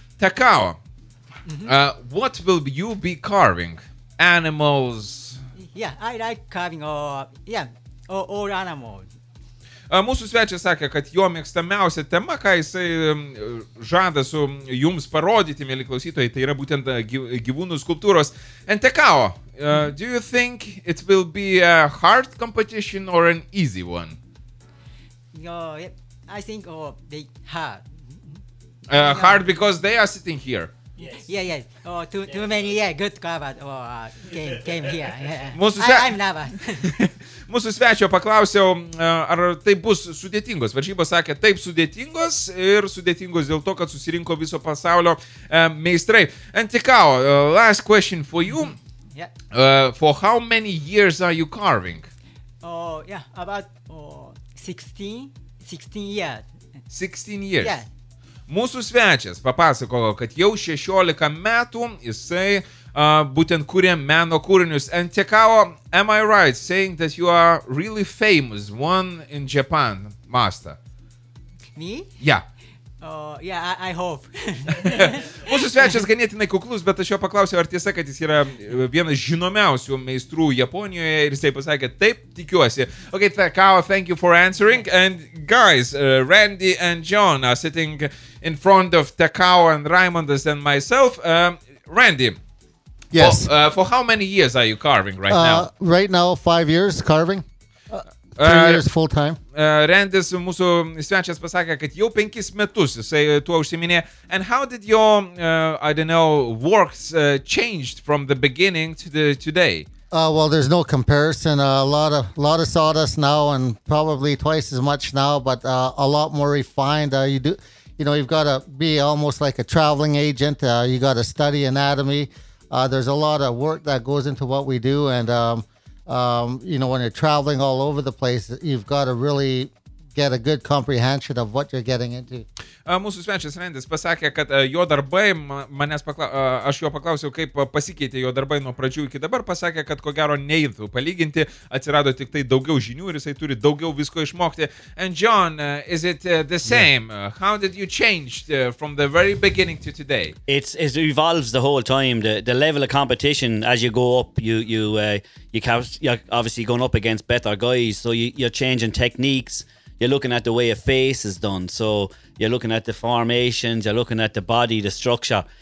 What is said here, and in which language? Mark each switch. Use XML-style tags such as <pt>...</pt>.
<en>Takao, what will you be carving? Animals? Yeah, I like carving all animals.</en> <lt>Mūsų svečias sakė, kad jo mėgstamiausia tema, ką jisai žada su jums parodyti, mėly klausytojai, tai yra būtent gyvūnų skulptūros.</lt> <en>And Takao, do you think it will be a hard competition or an easy one? I think they hard. Hard because they are sitting here. Yes. Oh, too many. Yeah, good covered. Oh, came here. I'm nervous.</en> <lt>Mūsų svečio paklausiau, ar tai bus sudėtingos. Varžybos sakė, taip sudėtingos ir sudėtingos dėl to, kad susirinko viso pasaulio meistrai.</lt> <en>And Takao, last question for you. For how many years are you carving? About 16 years. 16 years. Yeah.</en> <lt>Mūsų svečias papasakojo, kad jau 16 metų jisai būtent kūrė meno kūrinius.</lt> <en>And Takao, am I right saying that you are really famous one in Japan, master? Me? Yeah. I hope.</en> <lt>Mūsų svečias ganėtinai kuklus, bet aš jo paklausiau, ar tiesa, kad jis yra vienas žinomiausių meistrų Japonijoje ir jisai pasakė, taip, tikiuosi.</lt> <en>Okay, Takao, thank you for answering. And guys, Randy and John are sitting in front of Takao and Raimondas and myself. Randy. Yes. For how many years are you carving right now? Right now, 5 years carving. 3 years full time.</en> <lt>Rendis, mūsų svečias, pasakė, kad jau 5 metus jisai tuo užsiminė.</lt> <en>And how did your, I don't know, works changed from the beginning to the today? Well, there's no comparison. A lot of sawdust now, and probably twice as much now, but a lot more refined. You know, you've got to be almost like a traveling agent. You got to study anatomy. There's a lot of work that goes into what we do, and you know, when you're traveling all over the place, you've got to really get a good comprehension of what you're getting into.</en> <lt>Mūsų svečias Rendis pasakė, kad jo darbai, aš jo paklausiau, kaip pasikeitė jo darbai nuo pradžių iki dabar, pasakė, kad ko gero neįtų palyginti, atsirado tik tai daugiau žinių ir jisai turi daugiau visko išmokti.</lt> <en>And John, is it the same? Yeah. How did you change from the very beginning to today? It evolves the whole time. The level of competition, as you go up, you're obviously going up against better guys, so you're changing techniques. You're looking at the way a face is done, so you're looking at the formations, you're looking at the body, the structure.</en>